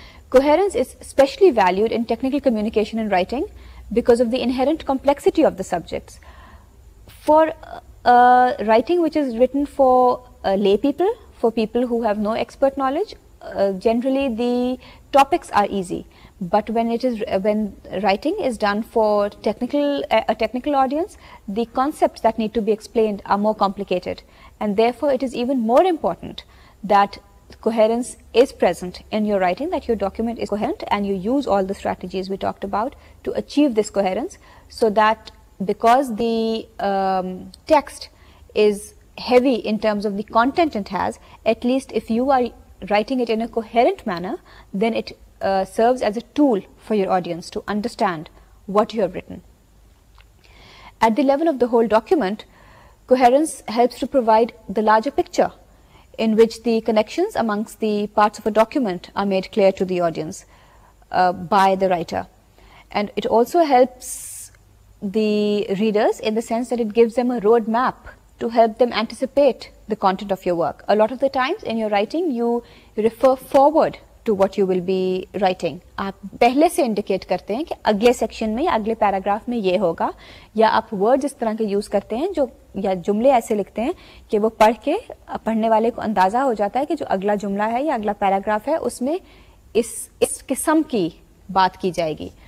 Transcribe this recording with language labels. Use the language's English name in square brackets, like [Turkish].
[English] Coherence is especially valued in technical communication and writing because of the inherent complexity of the subjects for writing which is written for lay people, for people who have no expert knowledge, generally the topics are easy. But when it is when writing is done for a technical audience, the concepts that need to be explained are more complicated. And therefore, it is even more important that coherence is present in your writing, that your document is coherent, and you use all the strategies we talked about to achieve this coherence, so that because the text is heavy in terms of the content it has, at least if you are writing it in a coherent manner, then it serves as a tool for your audience to understand what you have written. At the level of the whole document, coherence helps to provide the larger picture in which the connections amongst the parts of a document are made clear to the audience by the writer. And it also helps the readers in the sense that it gives them a road map to help them anticipate the content of your work. A lot of the times in your writing you refer forward to what you will be writing. [Urdu] آپ پہلے سے indicate کرتے ہیں کہ اگلے section میں اگلے paragraph میں یہ ہوگا, یا آپ ورڈ اس طرح کے یوز کرتے ہیں جو, یا جملے ایسے لکھتے ہیں کہ وہ پڑھ کے پڑھنے والے کو اندازہ ہو جاتا ہے کہ جو اگلا جملہ ہے یا اگلا پیراگراف ہے اس میں اس قسم کی بات کی جائے گی.